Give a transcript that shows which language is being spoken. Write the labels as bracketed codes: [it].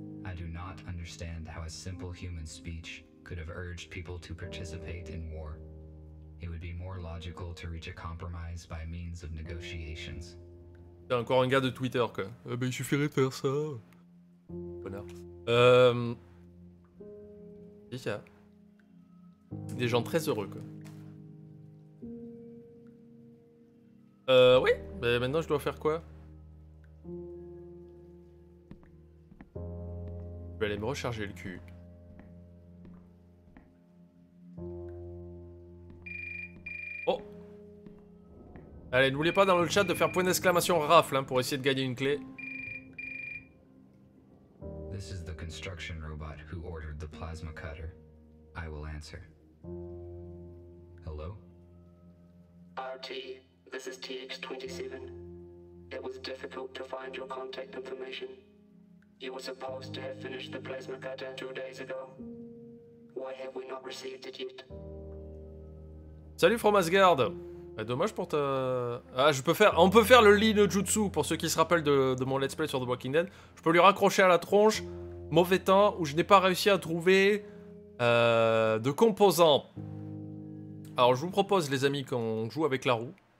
[en] I do not understand how a simple human speech could have urged people to participate in war. It would be more logical to reach a compromise by means of negotiations. [fr] T'as encore un gars de Twitter, quoi. Eh ben, il suffirait de faire ça. Bonheur. C'est ça. Des gens très heureux, quoi. Oui. Mais maintenant, je dois faire quoi? Je vais aller me recharger le cul. Oh! Allez, n'oubliez pas dans le chat de faire point d'exclamation rafle hein, pour essayer de gagner une clé. [en] This is the construction robot who ordered the plasma cutter. I will answer. Hello? RT, this is TX27. It was difficult to find your contact information. You were supposed to have finished the plasma cutter 2 days ago. Why have we not received it yet? [fr] Salut From Asgard. Bah, dommage pour ta... Ah, je peux faire... On peut faire le Linjutsu pour ceux qui se rappellent de mon let's play sur The Walking Dead. Je peux lui raccrocher à la tronche, mauvais temps, où je n'ai pas réussi à trouver de composants. Alors, je vous propose, les amis, qu'on joue avec la roue.